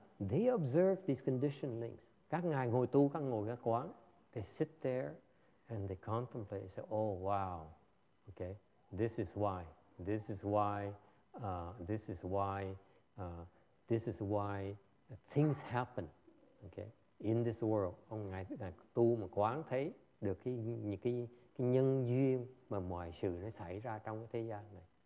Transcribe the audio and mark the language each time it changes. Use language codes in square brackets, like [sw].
[en] They observe these condition links. [vi] Các ngài ngồi tu, các ngồi các quán, [en] they sit there and they contemplate. Say, oh wow, okay, this is why things happen. Okay. In this world, [vi] ông ngài tu mà quán thấy được những cái nhân duyên mà mọi sự nó xảy ra trong cái thế gian này.